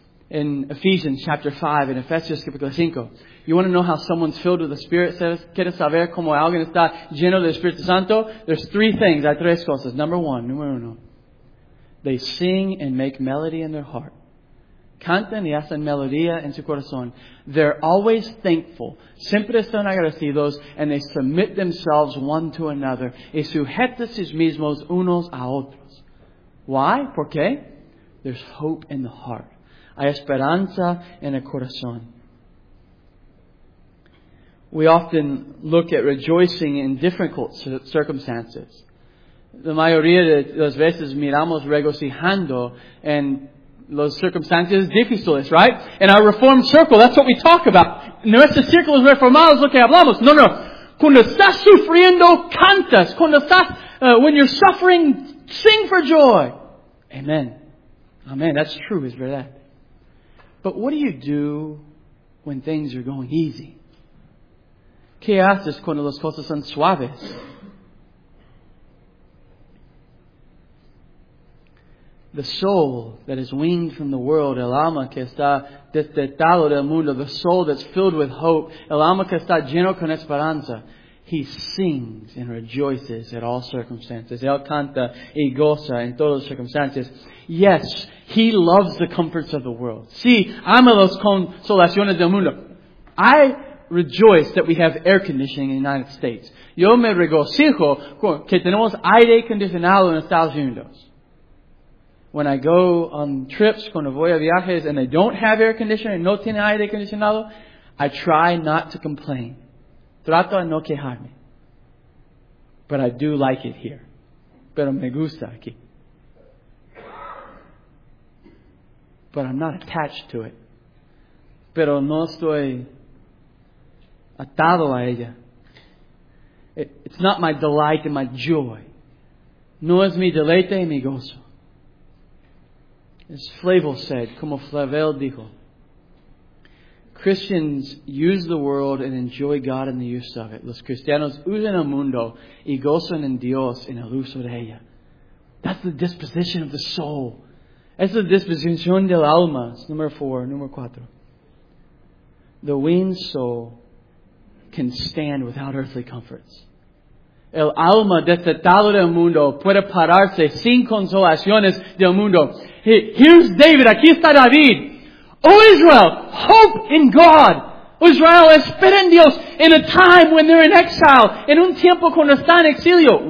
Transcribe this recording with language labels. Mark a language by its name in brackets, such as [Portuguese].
[English] In Ephesians chapter 5, in Ephesians capítulo 5, you want to know how someone's filled with the Spirit, says, [Spanish] ¿quieres saber cómo alguien está lleno del Espíritu Santo? [English] There's three things, [Spanish] hay tres cosas. Número uno, [English] they sing and make melody in their heart. [Spanish] Cantan y hacen melodía en su corazón. [English] They're always thankful. [Spanish] Siempre están agradecidos, [English] and they submit themselves one to another. [Spanish] Y sujetan sus mismos unos a otros. [English] Why? [Spanish] ¿Por qué? [English] There's hope in the heart. [Spanish] Hay esperanza en el corazón. [English] We often look at rejoicing in difficult circumstances. [Spanish] La mayoría de las veces miramos regocijando en las circunstancias difíciles, right? [English] In our reformed circle, that's what we talk about. [Spanish] Nuestro círculo de reformados, lo que hablamos. No. Cuando estás sufriendo, cantas. Cuando estás, [English] when you're suffering, sing for joy. Amen. That's true, is verdad. But what do you do when things are going easy? [Spanish] ¿Qué haces cuando las cosas son suaves? [English] The soul that is weaned from the world, [Spanish] el alma que está destetado del mundo, [English] the soul that's filled with hope, [Spanish] el alma que está lleno con esperanza, [English] he sings and rejoices at all circumstances. [Spanish] Él canta y goza en todas las circunstancias. [English] Yes, he loves the comforts of the world. [Spanish] Sí, ama las consolaciones del mundo. [English] I rejoice that we have air conditioning in the United States. [Spanish] Yo me regocijo que tenemos aire acondicionado en Estados Unidos. [English] When I go on trips, [Spanish] cuando voy a viajes, [English] and they don't have air conditioning, [Spanish] no tiene aire acondicionado, [English] I try not to complain. [Spanish] Trato de no quejarme. [English] But I do like it here. [Spanish] Pero me gusta aquí. [English] But I'm not attached to it. [Spanish] Pero no estoy atado a ella. [English] It's not my delight and my joy. [Spanish] No es mi deleite y mi gozo. [English] As Flavel said, [Spanish] como Flavel dijo, [English] Christians use the world and enjoy God in the use of it. [Spanish] Los cristianos usan el mundo y gozan en Dios en el uso de ella. [English] That's the disposition of the soul. [Spanish] Es la disposición del alma. [English] It's [Spanish] número cuatro. [English] The weaned soul can stand without earthly comforts. [Spanish] El alma desatado del mundo puede pararse sin consolaciones del mundo. [English] Here's David. [Spanish] Aquí está David. [English] Oh Israel, hope in God. [Spanish] Israel, espera en Dios [English] in a time when they're in exile, [Spanish] en un tiempo cuando está en exilio.